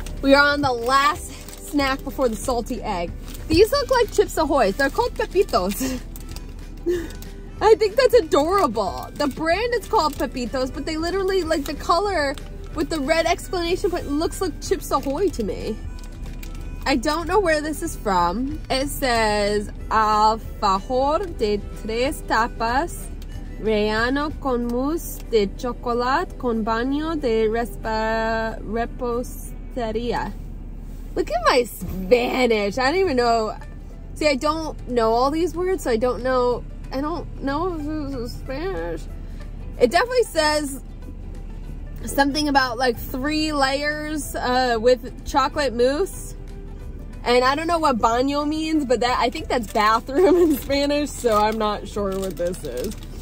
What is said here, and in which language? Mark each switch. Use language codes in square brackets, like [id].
[en] We are on the last snack before the salty egg. These look like Chips Ahoy. They're called Pepitos. I think that's adorable. The brand is called Pepitos, but they literally, like, the color with the red exclamation point looks like Chips Ahoy to me. I don't know where this is from. [es] It says alfajor de tres tapas relleno con mousse de chocolate con baño de repostería. [en] Look at my Spanish. I don't even know. See, I don't know all these words, so I don't know if this is Spanish. It definitely says something about like three layers with chocolate mousse. And I don't know what baño means, but that I think that's bathroom in Spanish, so I'm not sure what this is.